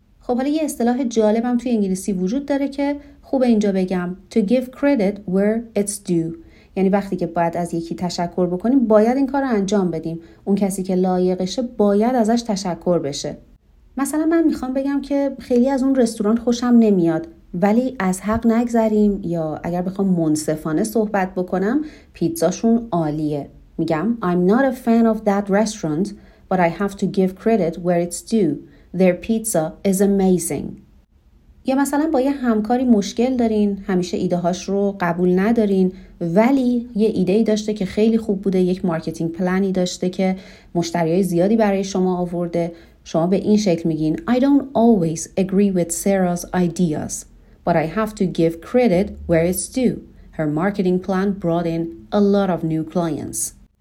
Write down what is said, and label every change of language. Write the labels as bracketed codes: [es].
[fa] خب حالا یه اصطلاح جالبم توی انگلیسی وجود داره که خوبه اینجا بگم، [en] to give credit where it's due، [fa] یعنی وقتی که باید از یکی تشکر بکنیم باید این کار رو انجام بدیم، اون کسی که لایقشه باید ازش تشکر بشه. مثلا من میخوام بگم که خیلی از اون رستوران خوشم نمیاد، ولی از حق نگذریم، یا اگر بخوام منصفانه صحبت بکنم، پیتزاشون عالیه. میگم [en] I'm not a fan of that restaurant but I have to give credit where it's due. Their pizza is amazing. [fa] یا مثلا با یه همکاری مشکل دارین، همیشه ایده هاش رو قبول ندارین، ولی یه ایده ای داشته که خیلی خوب بوده، یک مارکتینگ پلانی داشته که مشتری های زیادی برای شما آورده، شما به این شکل میگین [en] I don't always agree with Sarah's ideas but I have to give credit where it's due. Her marketing plan brought in a lot of new clients.